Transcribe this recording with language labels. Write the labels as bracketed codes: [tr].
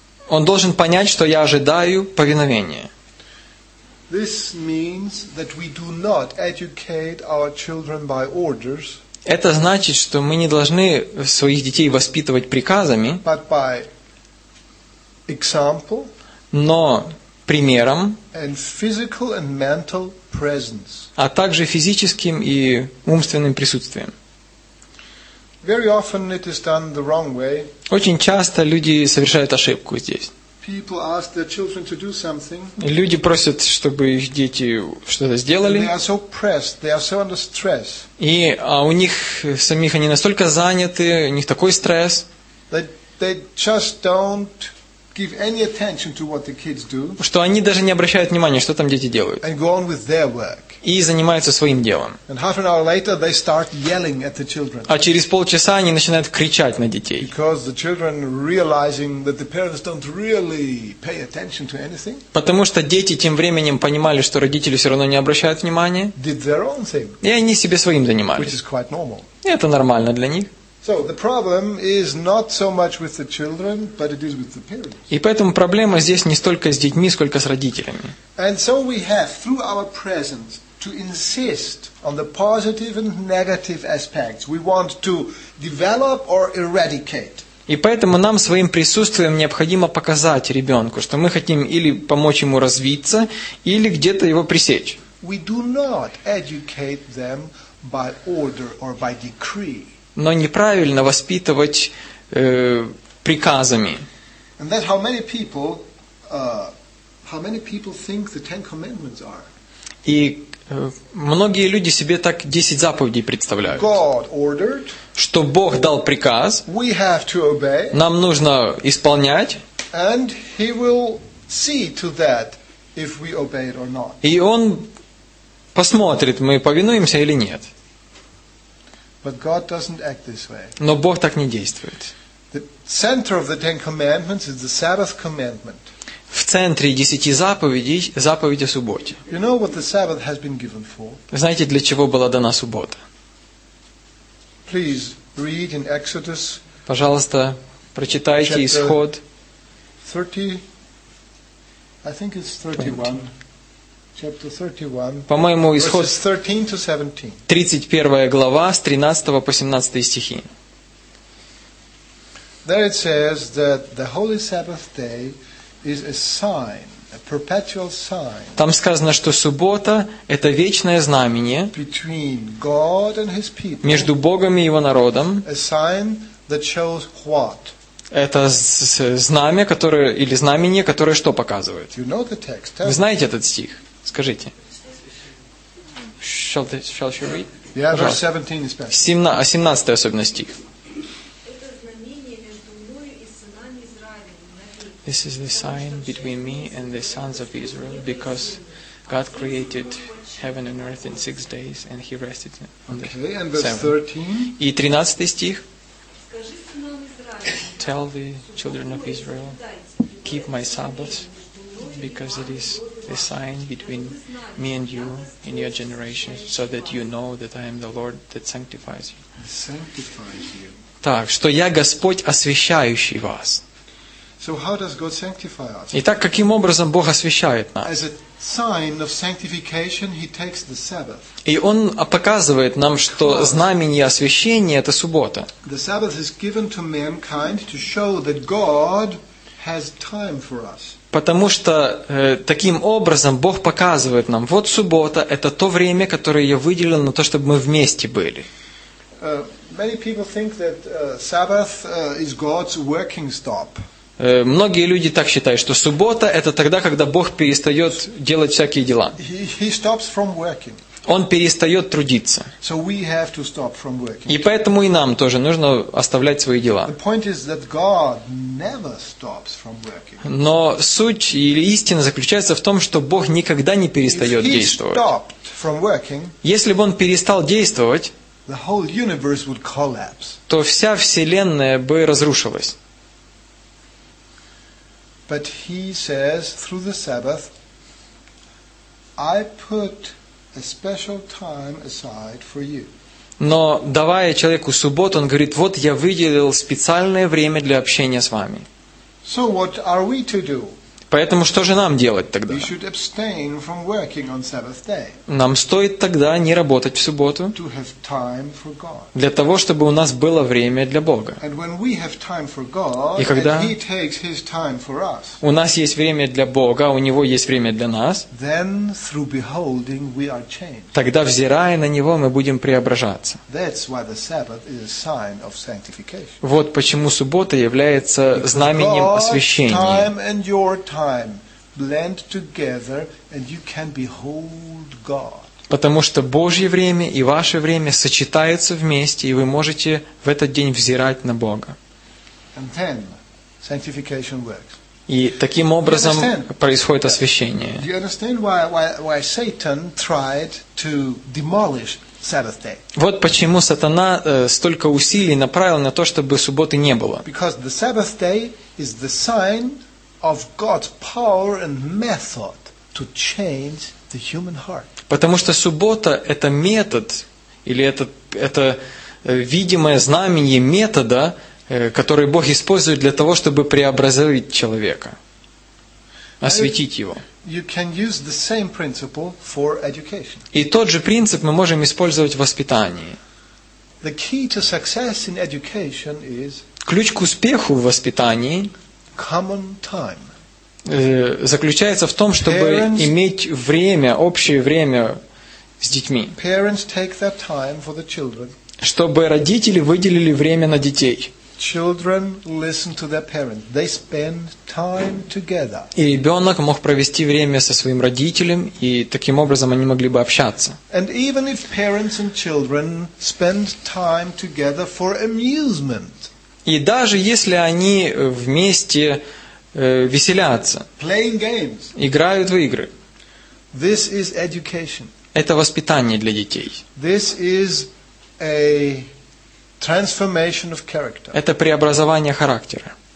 [ru] Он должен понять, что я ожидаю повиновения. Это значит, что мы не должны своих детей воспитывать приказами, [en] example, [ru] но примером, [en] and physical and mental presence, [ru] а также физическим и умственным присутствием. [en] Very often it is done the wrong way. [ru] Очень часто люди совершают ошибку здесь. [en] People ask their children to do something. [ru] Люди просят, чтобы их дети что-то сделали. [en] They are so pressed, they are so under stress. [ru] И у них самих они настолько заняты, у них такой стресс. [en] They just don't give any attention to what the kids do, [ru] что они даже не обращают внимания, что там дети делают, [en] and go on with their work. [ru] И занимаются своим делом. [en] And half an hour later they start yelling at the children. [ru] А через полчаса они начинают кричать на детей. [en] Because the children realizing that the parents don't really pay attention to anything. [ru] Потому что дети тем временем понимали, что родители все равно не обращают внимания. [en] Did their own thing. [ru] И они себе своим занимались. [en] Which is quite normal. [ru] И это нормально для них. [en] So the problem is not so much with the children, but it is with the parents. [ru] И поэтому проблема здесь не столько с детьми, сколько с родителями. [en] And so we have, through our presence, to insist on the positive and negative aspects we want to develop or eradicate. [ru] И поэтому нам своим присутствием необходимо показать ребенку, что мы хотим или помочь ему развиться, или где-то его пресечь. [en] We do not educate them by order or by decree. [ru] Но неправильно воспитывать приказами. [en] And that's how many people think the Ten Commandments are. [ru] И многие люди себе так 10 заповедей представляют. [en] God ordered, [ru] что Бог дал приказ. [en] We have to obey, [ru] нам нужно исполнять. [en] And he will see to that if we obey it or not. [ru] И он посмотрит, мы повинуемся или нет. [en] But God doesn't act this way. [ru] Но Бог так не действует. [en] The center of the Ten Commandments is the Sabbath commandment. [ru] В центре десяти заповедей заповедь о субботе. [en] You know what the Sabbath has been given for? [ru] Знаете, для чего была дана суббота? [en] Please read in Exodus. [ru] Пожалуйста, прочитайте Исход. [en] 30. I think it's 31. Chapter 31. [ru] По-моему, Исход 13-17. 31 глава с 13 по 17 стихи. [en] There it says that the holy Sabbath day is a sign, a perpetual sign. [ru] Там сказано, что суббота это вечное знамение [en] between God and his people. [ru] Между Богом и его народом. [en] A sign that shows what? [ru] Это знамя, которое или знамение, которое что показывает? [en] You know the text. [ru] Вы знаете этот стих? Скажите. [en] Shall she read? Yeah, verse 17 is best. [ru] 17 особенно стих. Это знамение между мной и сынами Израиля. [en] This is the sign between me and the sons of Israel, because God created heaven and earth in six days, and he rested on the seventh. Okay, and verse 13. [ru] И 13 стих. Скажи сынам Израиля. [en] Tell the children of Israel, keep my Sabbath, because it is a sign between me and you in your generation, so that you know that I am the Lord that sanctifies you. [ru] Так, что я Господь, освящающий вас. [en] So how does God sanctify us? [ru] Итак, каким образом Бог освящает нас? [en] As a sign of sanctification, he takes the Sabbath. [ru] И он показывает нам, что знамение освящения это суббота. [en] The Sabbath is given to mankind to show that God has time for us. [ru] Потому что таким образом Бог показывает нам, вот суббота, это то время, которое я выделил на то, чтобы мы вместе были. Многие люди так считают, что суббота это тогда, когда Бог перестает делать всякие дела. [en] He stops from working. [ru] Он перестает трудиться. [en] So we have to stop from working. [ru] И поэтому и нам тоже нужно оставлять свои дела. [en] The point is that God never stops from working. [ru] Но суть или истина заключается в том, что Бог никогда не перестает [en] If he [ru] действовать. [en] Stopped from working, [ru] если бы Он перестал действовать, [en] the whole universe would collapse. [ru] То вся Вселенная бы разрушилась. [en] But he says, through the Sabbath, I put a special time aside for you. [ru] Но давая человеку субботу, он говорит: вот я выделил специальное время для общения с вами. [en] So what are we to do? [ru] Поэтому что же нам делать тогда? [en] We should abstain from working on Sabbath day. [ru] Нам стоит тогда не работать в субботу. [en] To have time for God. [ru] Для того, чтобы у нас было время для Бога. [en] And when we have time for God, [ru] и когда [en] and he takes his time for us, [ru] у нас есть время для Бога, у Него есть время для нас, [en] then through beholding we are changed. [ru] Тогда, взирая на Него, мы будем преображаться. [en] That's why the Sabbath is a sign of sanctification. [ru] Вот почему суббота является [en] Because [ru] знаменем освящения. [en] God's time and your time blend together and you can behold God. [ru] Потому что Божье время и ваше время сочетаются вместе, и вы можете в этот день взирать на Бога. [en] And then sanctification works. [ru] И таким образом происходит освящение. [en] Do you understand why Satan tried to demolish Sabbath day? [ru] Вот почему сатана столько усилий направил на то, чтобы субботы не было. [en] Because the Sabbath day is the sign of God's power and method to change the human heart. [ru] Потому что суббота – это метод, или это видимое знамение метода, который Бог использует для того, чтобы преобразовать человека, осветить его. [en] You can use the same principle for education. [ru] И тот же принцип мы можем использовать в воспитании. [en] The key to success in education is [ru] ключ к успеху в воспитании [en] common time. [ru] Заключается в том, чтобы [en] parents, [ru] иметь время, общее время с детьми. [en] Parents take that time for the children. [ru] Чтобы родители выделили время на детей. [en] Children listen to their parents. They spend time together. [ru] И ребенок мог провести время со своим родителем, и таким образом они могли бы общаться. [en] And even if parents and children spend time together for amusement. [ru] И даже если они вместе веселятся, [en] playing games. [ru] Играют в игры. [en] This is education. [ru] Это воспитание для детей. [en] This is a transformation of character. [ru] Это преобразование характера.